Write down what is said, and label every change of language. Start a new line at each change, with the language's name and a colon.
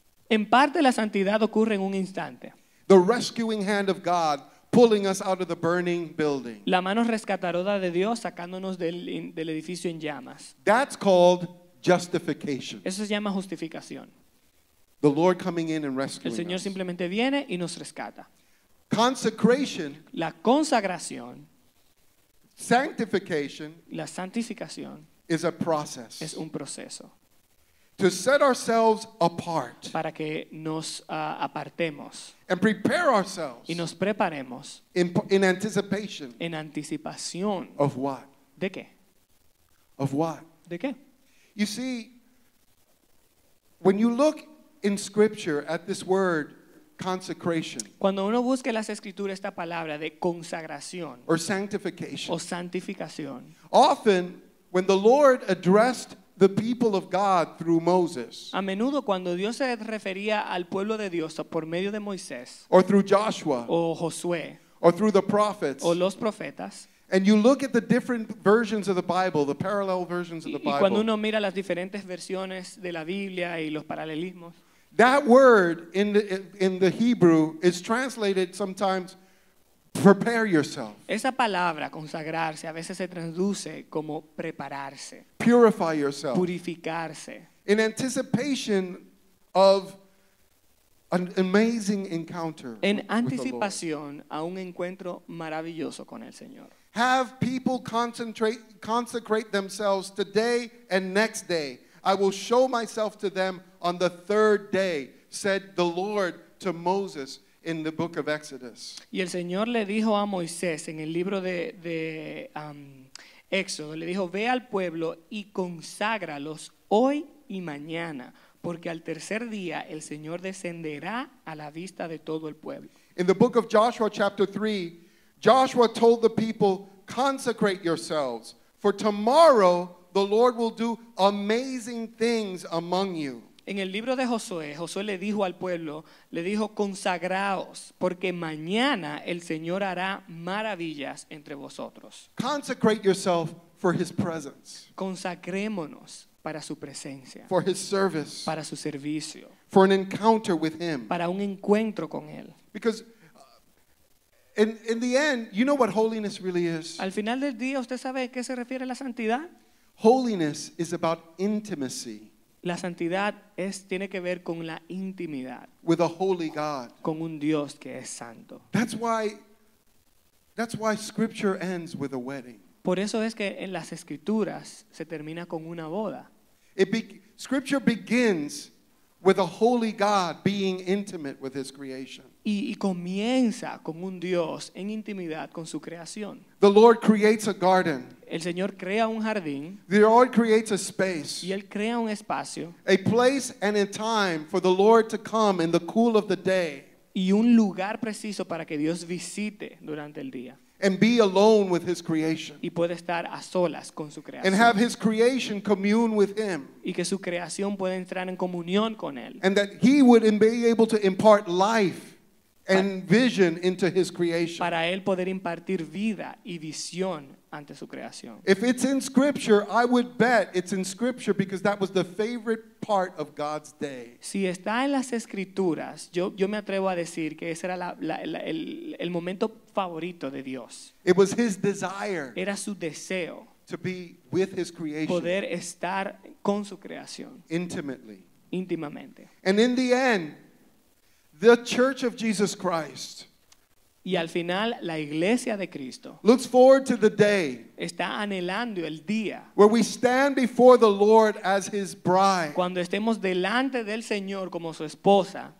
Spanish: En parte la santidad ocurre en un instante.
English: The rescuing hand of God pulling us out of the burning building.
Spanish: La mano rescatadora de Dios sacándonos del edificio en llamas.
English: That's called justification.
Spanish: Eso se llama justificación.
English: The Lord coming in and rescuing us.
Spanish: El Señor simplemente viene y nos rescata.
English: Consecration.
Spanish: La consagración.
English: Sanctification.
Spanish: La santificación.
English: Is a process.
Spanish: Es un proceso.
English: To set ourselves apart.
Spanish: Para que nos apartemos.
English: And prepare ourselves.
Spanish: Y nos preparemos.
English: In anticipation.
Spanish: En anticipación.
English: Of what?
Spanish: ¿De qué?
English: Of what?
Spanish: ¿De qué?
English: You see, when you look in scripture at this word consecration.
Spanish: Cuando uno busca en las escrituras esta palabra de consagración.
English: Or sanctification.
Spanish: O santificación.
English: Often when the Lord addressed the people of God through Moses.
Spanish: A menudo cuando Dios se refería al pueblo de Dios por medio de Moisés.
English: Or through Joshua.
Spanish: O Josué.
English: Or through the prophets.
Spanish: O los profetas.
English: And you look at the different versions of the Bible, the parallel versions of the Bible.
Spanish: Y cuando uno mira las diferentes versiones de la Biblia y los paralelismos.
English: That word in the Hebrew is translated sometimes prepare yourself.
Spanish: Esa palabra consagrarse a veces se traduce como prepararse.
English: Purify yourself.
Spanish: Purificarse.
English: In anticipation of an amazing encounter.
Spanish: En anticipación a un encuentro maravilloso con el Señor.
English: Have people consecrate themselves today and next day. I will show myself to them on the third day, said the Lord to Moses in the book of Exodus.
Spanish: Y el Señor le dijo a Moisés en el libro de Éxodo, le dijo, ve al pueblo y conságralos hoy y mañana, porque al tercer día el Señor descenderá a la vista de todo el pueblo.
English: In the book of Joshua chapter 3, Joshua told the people, consecrate yourselves, for tomorrow the Lord will do amazing things among you.
Spanish: En el libro de Josué, Josué le dijo al pueblo, le dijo, consagraos, porque mañana el Señor hará maravillas entre vosotros.
English: Consecrate yourself for his presence.
Spanish: Consagrémonos para su presencia.
English: For his service.
Spanish: Para su servicio.
English: For an encounter with him.
Spanish: Para un encuentro con él.
English: Because in the end, you know what holiness really is?
Spanish: Al final del día, ¿usted sabe a qué se refiere la santidad?
English: Holiness is about intimacy.
Spanish: La santidad tiene que ver con la intimidad.
English: With a holy God.
Spanish: Con un Dios que es santo.
English: That's why scripture ends with a wedding.
Spanish: Por eso es que en las escrituras se termina con una boda.
English: Scripture begins with a holy God being intimate with his creation.
Spanish: Y comienza con un Dios en intimidad con su creación.
English: The Lord creates a garden.
Spanish: El Señor crea un jardín.
English: The Lord creates a space.
Spanish: Y él crea un espacio.
English: A place and a time for the Lord to come in the cool of the day.
Spanish: Y un lugar preciso para que Dios visite durante el día.
English: And be alone with his creation.
Spanish: Y puede estar a solas con su creación.
English: And have his creation commune with him.
Spanish: Y que su creación pueda entrar en comunión con él.
English: And that he would be able to impart life and vision into his creation.
Spanish: Para él poder impartir vida y visión ante su creación.
English: If it's in scripture, I would bet it's in scripture because that was the favorite part of God's day.
Spanish: Si está en las escrituras, yo me atrevo a decir que ese era el momento favorito de Dios.
English: It was his desire.
Spanish: Era su deseo.
English: To be with his creation.
Spanish: Poder estar con su creación.
English: Intimately.
Spanish: Íntimamente.
English: And in the end, the Church of Jesus Christ.
Spanish: Y al final, la iglesia de Cristo.
English: Looks forward to the day.
Spanish: Está anhelando el día.
English: Where we stand before the Lord as his bride.
Spanish: Cuando estemos delante del Señor como su esposa.